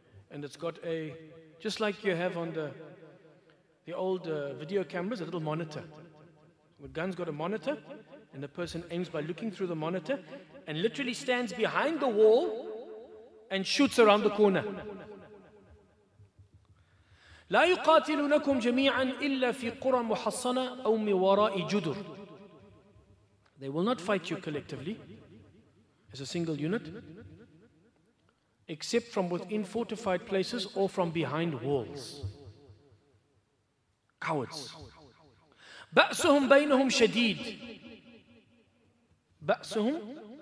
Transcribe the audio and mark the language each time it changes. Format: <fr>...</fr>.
<en>And it's got a, just like you have on the old video cameras, a little monitor. The gun's got a monitor, and the person aims by looking through the monitor and literally stands behind the wall and shoots around the corner.</en> <ar>لا يقاتلونكم جميعا إلا في قرى محصنة أو من وراء جدر.</ar> <en>They will not fight you collectively as a single unit, except from within fortified places or from behind walls. Cowards.</en> <ar>بأسهم بينهم شديد. بأسهم.</ar>